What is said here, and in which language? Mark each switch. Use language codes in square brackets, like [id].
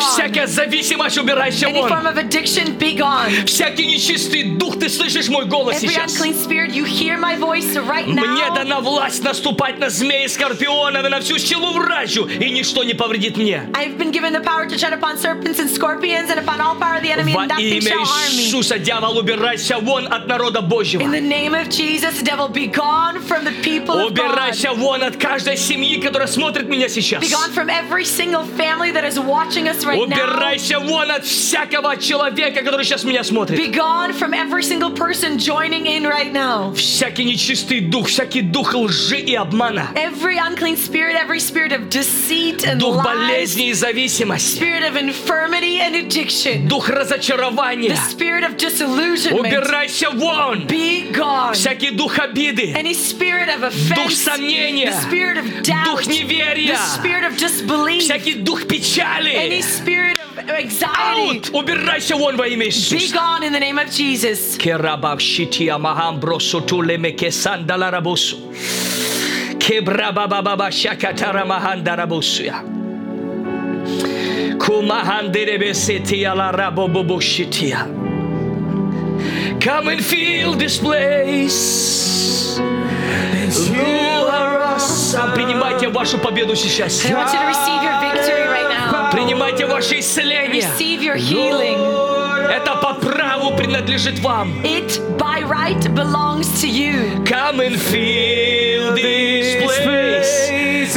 [ru] Всякая зависимость убирайся вон. [en] Any form of addiction be gone. [ru] Всякий нечистый дух, ты слышишь мой голос [en] Every [ru] сейчас. [en] Every unclean spirit, you hear my voice right now. [ru] Мне дана власть наступать на змеи, скорпионов и на всю силу вражью, и ничто не повредит мне. [en] I've been given the power to tread upon serpents and scorpions and upon all power of the enemy, and nothing shall harm me. [ru] Во имя Иисуса, дьявол, убирайся вон от народа Божьего. [en] In the name of Jesus, devil, be gone from the people of God. [ru] Убирайся вон от каждой семьи, которая смотрит меня. [en] Be gone from every single family that is watching us right now. [ru] Убирайся вон от всякого человека, который сейчас меня смотрит. [en] Be gone from every single person joining in right now. [ru] Всякий нечистый дух, всякий дух лжи и обмана. [en] Every unclean spirit, every spirit of deceit and lies. [ru] Дух болезни и зависимости. [en] Spirit of infirmity and addiction. [ru] Дух разочарования. [en] The spirit of disillusionment. [ru] Убирайся вон. [en] Be gone. [ru] Всякий дух обиды. [en] Any spirit of offense. [ru] Дух сомнения. [en] The spirit of doubt. [ru] Дух неверия. [en] The spirit of disbelief. [ru] Всякий дух печали. [en] Any spirit of anxiety. Out! [ru] Убирайся вон во имя Иисуса. [en] Be gone in the name of Jesus. Керабав шити амахам бросу туле мекесан даларабусу. Кебрабабабаба шакатара махан дарабусуя. Кумахан деребесетия ларабобобу шития. Come and feel this place. You are awesome. [ru] Принимайте вашу победу сейчас. [en] I want you to receive your victory right now. [ru] Принимайте ваше исцеление. [en] Receive your healing. [ru] Это по праву принадлежит вам. [en] It by right belongs to you. Come and feel this place.